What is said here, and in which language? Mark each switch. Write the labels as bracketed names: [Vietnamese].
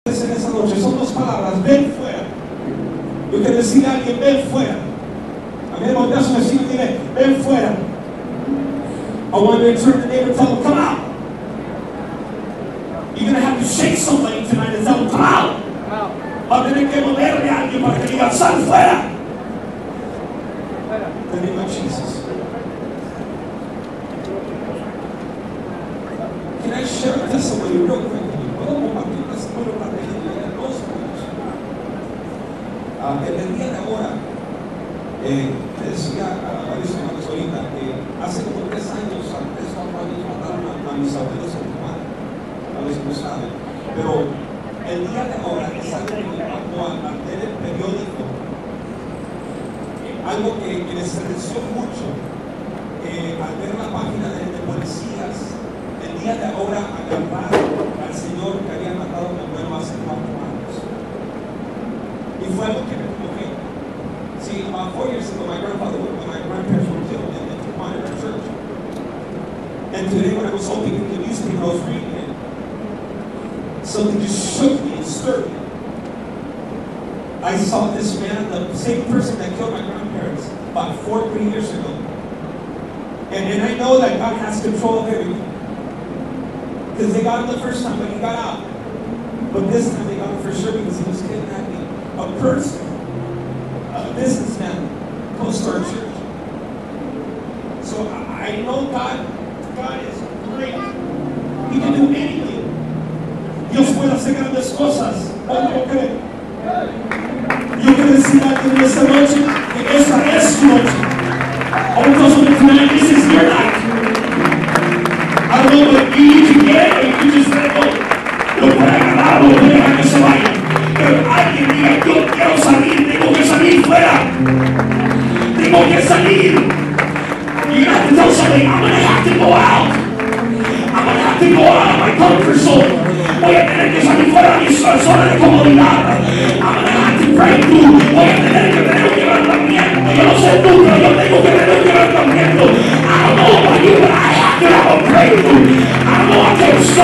[Spanish] puedes en esa noche son dos palabras: ven fuera. Yo quiero decirle a alguien: ven fuera. Alguien voltea a su vecino y dice: ven fuera. [English] I want to turn to the neighbor and tell them, come out. You're going to have to shake somebody tonight and tell them, come out. [Spanish] Va a tener que moverle a alguien para que diga, sal fuera. [English] The name of Jesus. Can I share a testimony real quick? [Spanish] ¿Puedo compartir un testimonio para que diga dos puntos? En el día de ahora, te decía a varios hermanos ahorita que hace como 3 años, antes de 4 años, mataron a mis abuelos en Tijuana. A veces no saben. Pero el día de ahora es algo que me impactó al leer el periódico. Algo que me estremeció mucho. Al ver la página de policías, el día de ahora agarraron al señor que había matado a mi abuelo hace 4 años. Y fue algo que me convocó. [English] See, about 4 years ago, my grandfather, when my grandparents were killed in the Tijuana church. And today, when I was opening the newspaper, I was reading it. Something just shook me and stirred me. I saw this man, the same person that killed my grandparents, about 4 or 3 years ago. And I know that God has control of everything. Because they got him the first time, but he got out. But this time, they got him for sure because he was kidnapping a person. Businessman close to our church. So I know God is great. He can do anything. [Spanish] Dios puede hacer grandes cosas. ¿Cuánto cree? Yo quiero decir a ti en esta noche que esta es tu noche. [English] All those of the community, this is your life. I don't know what you need to get or you just let go. [Spanish] Lo puede agarrar, lo puede dejar que se vaya. Pero alguien diga, yo quiero salir, tengo que salir fuera. Tengo que salir. [English] You have to tell somebody, I'm going to have to go out. I'm going to have to go out of my comfort zone. [Spanish] Voy a tener que salir fuera de mi zona de comodidad. [English] I'm going to have to pray through. [Spanish] Voy a tener que tener un quebrantamiento. Yo no sé tú, pero yo tengo que tener un quebrantamiento. [English] I don't know about you, but I have to have a breakthrough.